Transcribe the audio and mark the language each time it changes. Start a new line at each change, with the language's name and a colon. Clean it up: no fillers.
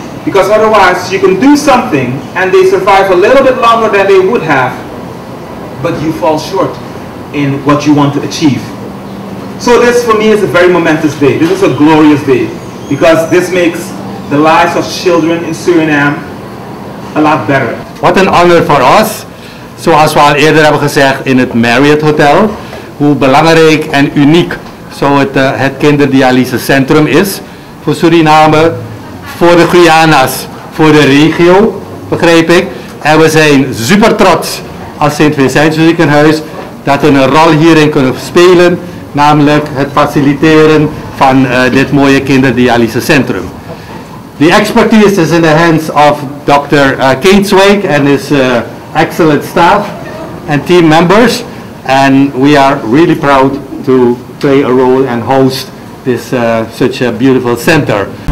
English: Because otherwise, you can do something, and they survive a little bit longer than they would have, but you fall short in what you want to achieve. So this, for me, is a very momentous day. This is a glorious day, because this makes the lives of children in Suriname a lot better. What an honor for us,
Dutch: zoals we al eerder hebben gezegd in het Marriott Hotel, hoe belangrijk en uniek zo het kinderdialysecentrum is voor Suriname, voor de Guyana's, voor de regio, begreep ik. En we zijn super trots als Sint Vincent Ziekenhuis dat we een rol hierin kunnen spelen, namelijk het faciliteren van dit mooie kinderdialysecentrum.
English: The expertise is in the hands of Dr. Kainswijk and his excellent staff and team members, and we are really proud to play a role and host this such a beautiful center.